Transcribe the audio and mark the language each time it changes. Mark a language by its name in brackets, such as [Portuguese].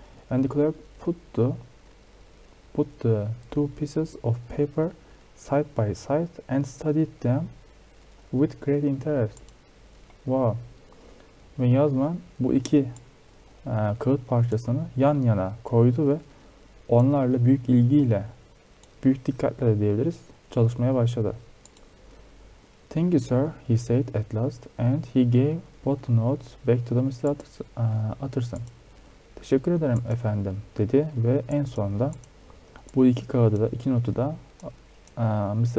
[English] And the clerk put the two pieces of paper side by side and studied them with great interest. Wow. [Turkish] Ve yazman bu iki kağıt parçasını yan yana koydu ve onlarla büyük ilgiyle, büyük dikkatle de diyebiliriz, çalışmaya başladı. [English] Thank you, sir, he said at last, and he gave both notes back to the Mr. Utterson. [Turkish] Teşekkür ederim efendim, dedi ve en sonunda bu iki kağıdı da, iki notu da Mr.